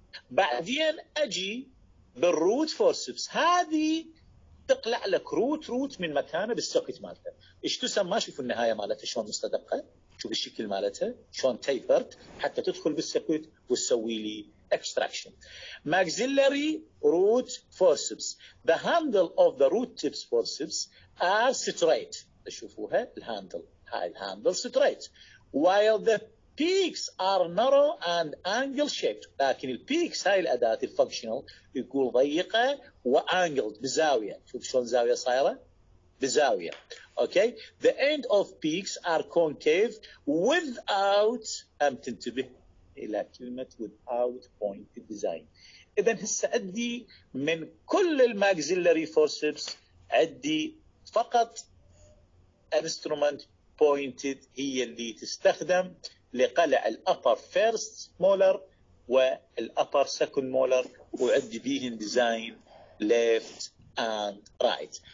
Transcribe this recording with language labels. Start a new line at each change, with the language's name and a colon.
Arabic: بعدين اجي بالروت فورسبس، هذه تقلع لك روت روت من مكانه بالسوكت مالته. ايش تسمى؟ شوفوا النهايه مالته شلون مستدقه. شوف الشكل مالتها شلون تيبرت حتى تدخل بالسكوت وتسوي لي extraction.
English: Maxillary root forceps. The handle of the root tips forceps are straight.
Arabic: تشوفوها الهاندل. هاي الهاندل straight.
English: While the peaks are narrow and angle shaped.
Arabic: لكن البيكس هاي الأداة الفانكشنال يقول ضيقة وانجلد بزاوية. شوف شلون زاوية صايرة؟ بزاوية.
English: Okay. The end of peaks are concave without
Arabic: تنتبه إلى كلمة
English: without pointed design.
Arabic: إذن هسه أدي من كل الماكسيلاري فورسبس أدي فقط instrument pointed هي اللي تستخدم لقلع الأبر فيرست مولر والأبر سكند مولر وعدي بيهن ديزاين ليفت اند رايت.